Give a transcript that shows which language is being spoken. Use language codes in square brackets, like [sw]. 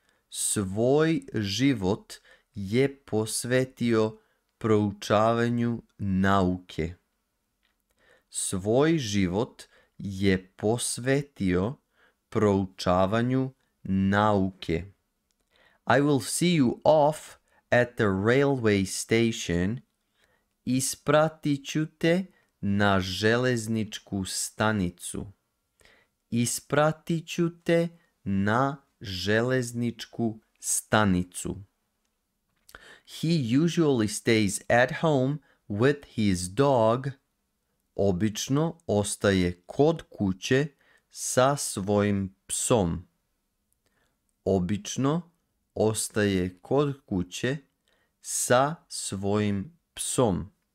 [sr] Svoj život je posvetio proučavanju nauke. Svoj život je posvetio proučavanju nauke. [en] I will see you off at the railway station. [sr] Ispratiću te na železničku stanicu. Ispratiću te na železničku stanicu. [en] He usually stays at home with his dog. [sr] Obično ostaje kod kuće sa svojim psom. Obično ostaje kod kuće sa svojim psom.